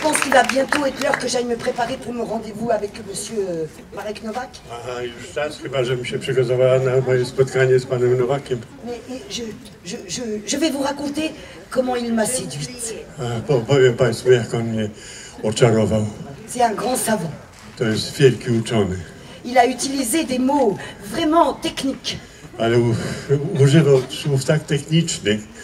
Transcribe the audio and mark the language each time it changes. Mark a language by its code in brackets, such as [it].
[fr] va bientôt être l'heure que j'aille me préparer pour mon rendez-vous avec monsieur Marek Novak. [pl] Aha, już czas chyba, żebym się przygotowała na moje spotkanie z panem Nowakiem. [fr] Mais je vais vous raconter comment il m'a séduite. [pl] Powiem państwu, jak on mnie oczarował. [fr] C'est un grand savant. [pl] To jest wielki uczony. [fr] Il a utilisé des mots vraiment techniques. [pl] Ale używał słów tak technicznych.